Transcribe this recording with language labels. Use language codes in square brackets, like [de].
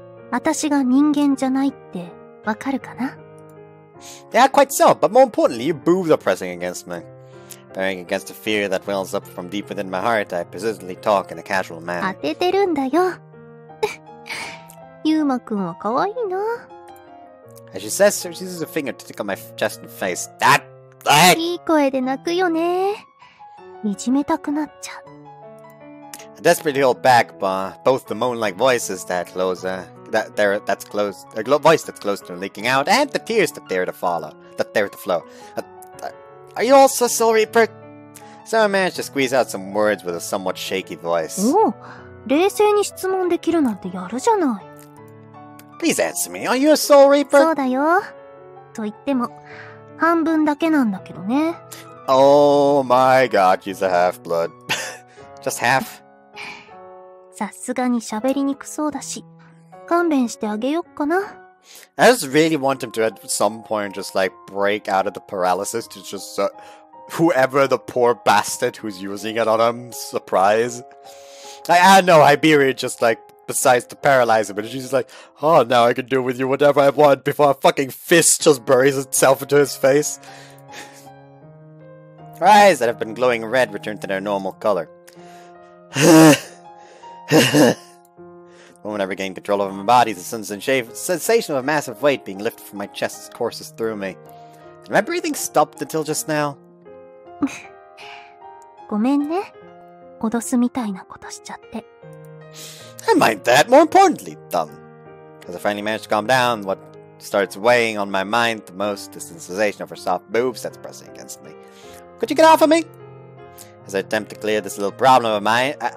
[ja] 私が人間じゃないって分かるかな? [en] Yeah, quite so, but more importantly, your boobs are pressing against me. Bearing against a fear that wells up from deep within my heart, I persistently talk in a casual manner. [ja] 当ててるんだよ。ユーマくんは可愛いな。 [en] As she says, she uses a finger to tickle my chest and face. [ja] いい声で泣くよね。いじめたくなっちゃう。 [en] I desperately hold back, but both the moan-like voices that close, voice that's close to leaking out, and the tears that dare to follow, that dare to flow. Are you also sorry, Perk? So I managed to squeeze out some words with a somewhat shaky voice. [ja] Oh, 冷静に質問できるなんてやるじゃない。 [en] Please answer me. Are you a Soul Reaper? [ja] そうだよ。と言っても半分だけなんだけどね。 [en] Oh my God, she's a half-blood. Just half? [ja] さすがに喋りにくそうだし、勘弁してあげよっかな。 [en] I just really want him to at some point just like break out of the paralysis to just whoever the poor bastard who's using it on him surprise. I know Hyperia just like. Besides to paralyze him, and she's like, oh, now I can do with you whatever I want before a fucking fist just buries itself into his face. Her eyes that have been glowing red return to their normal color. The moment I regain control over my body, the sensation of a massive weight being lifted from my chest courses through me. Did my breathing stop until just now? [ja] ごめんね。脅すみたいなことしちゃって。 [en] I mind that, more importantly, though. As I finally manage to calm down, what starts weighing on my mind the most is the sensation of her soft boobs that's pressing against me. Could you get off of me? As I attempt to clear this little problem of mine,